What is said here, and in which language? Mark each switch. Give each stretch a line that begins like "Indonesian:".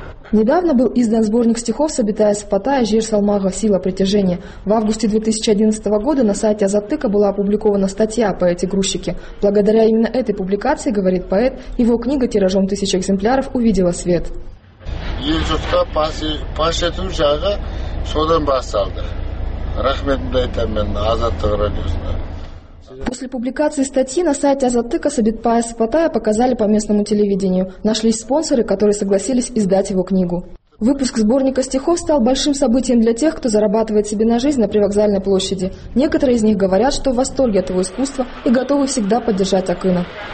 Russian: Недавно был издан сборник стихов Сабитая Сапатая «Жер Салмага. Сила притяжения». В августе 2011 года на сайте «Азаттыка» была опубликована статья о поэте-грузчике. Благодаря именно этой публикации, говорит поэт, его книга тиражом 1000 экземпляров увидела свет.
Kazakh: Елжұртқа паштету жағы содан басталды. Рахметімді айтамын мен Азаттық радиосына.
Russian: После публикации статьи на сайте «Азаттыка» Сабитпая Сапатая показали по местному телевидению. Нашлись спонсоры, которые согласились издать его книгу. Выпуск сборника стихов стал большим событием для тех, кто зарабатывает себе на жизнь на привокзальной площади. Некоторые из них говорят, что в восторге от его искусства и готовы всегда поддержать Акына.